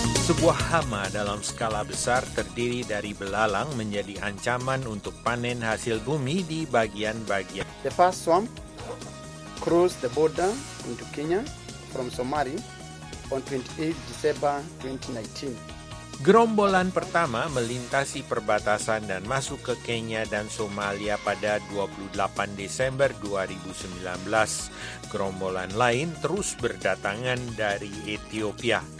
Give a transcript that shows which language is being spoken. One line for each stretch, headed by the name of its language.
Indonesian: Sebuah hama dalam skala besar terdiri dari belalang menjadi ancaman untuk panen hasil bumi di bagian-bagian.
English: The first swarm crossed the border into Kenya from Somali on 28 December 2019.
Indonesian: Gerombolan pertama melintasi perbatasan dan masuk ke Kenya dan Somalia pada 28 Desember 2019. Gerombolan lain terus berdatangan dari Ethiopia.